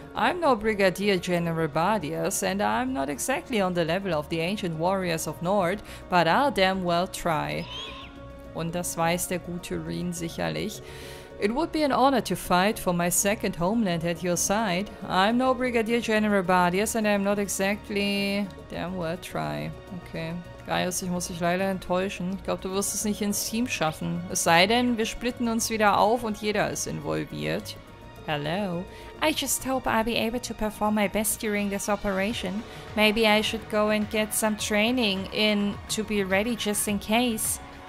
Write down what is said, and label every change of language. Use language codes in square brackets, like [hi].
[en] I'm no Brigadier General Bardias, and I'm not exactly on the level of the ancient warriors of Nord, but I'll damn well try. [de] Und das weiß der gute Rin sicherlich. [en] It would be an honor to fight for my second homeland at your side. I'm no Brigadier General Bardias and I'm not exactly... Damn well try. Okay. [de] Gaius, ich muss dich leider enttäuschen. Ich glaube, du wirst es nicht ins Team schaffen. Es sei denn, wir splitten uns wieder auf und jeder ist involviert. [en] Hello. I just hope I'll be able to perform my best during this operation. Maybe I should go and get some training in to be ready just in case.